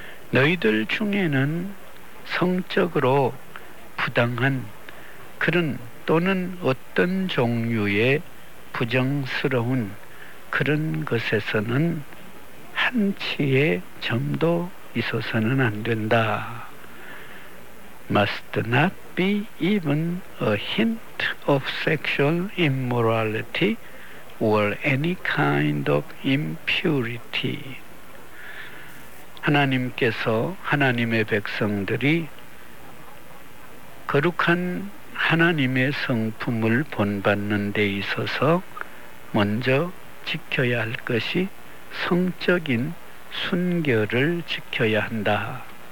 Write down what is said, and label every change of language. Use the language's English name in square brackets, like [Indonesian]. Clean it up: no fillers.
[Korean] 너희들 중에는 성적으로 부당한 그런 또는 어떤 종류의 부정스러운 그런 것에서는 한치의 점도 있어서는 안 된다. [English] Must not be even a hint of sexual immorality or any kind of impurity. [Korean] 하나님께서 하나님의 백성들이 거룩한 하나님의 성품을 본받는 데 있어서 먼저 지켜야 할 것이 성적인 순결을 지켜야 한다.